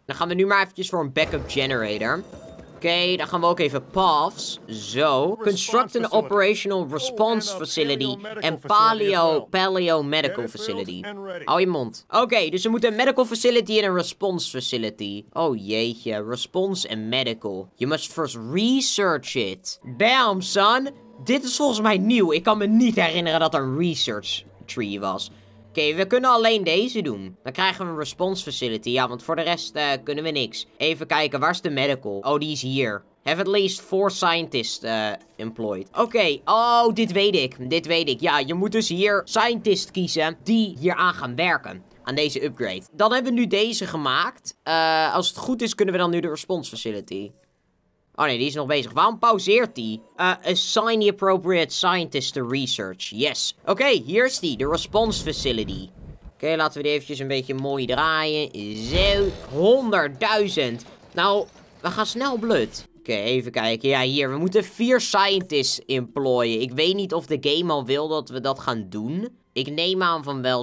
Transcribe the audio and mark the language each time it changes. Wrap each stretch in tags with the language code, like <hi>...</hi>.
<nl>Dan gaan we nu maar eventjes voor een backup generator. Oké, dan gaan we ook even paths. Zo.</nl> <en>Construct an operational response facility. En paleo medical facility.</en> <nl>Hou je mond. Oké, dus we moeten een medical facility en een response facility. Oh jeetje. Response en medical.</nl> <en>You must first research it. Damn, son.</en> <nl>Dit is volgens mij nieuw. Ik kan me niet herinneren dat er een research tree was. Oké, we kunnen alleen deze doen. Dan krijgen we een response facility. Ja, want voor de rest kunnen we niks. Even kijken, waar is de medical? Oh, die is hier.</nl> <en>Have at least 4 scientists employed.</en> <nl>Oké, oh, dit weet ik. Ja, je moet dus hier scientists kiezen die hier aan gaan werken. Aan deze upgrade. Dan hebben we nu deze gemaakt. Als het goed is, kunnen we dan nu de response facility. Oh nee, die is nog bezig. Waarom pauzeert die?</nl> <en>Assign the appropriate scientist to research.</en> <nl>Yes. Oké, hier is die. De response facility. Oké, laten we die eventjes een beetje mooi draaien. Zo, 100.000. Nou, we gaan snel blut. Oké, even kijken. Ja, hier. We moeten 4 scientists employen. Ik weet niet of de game al wil dat we dat gaan doen. Ik neem aan van wel.</nl>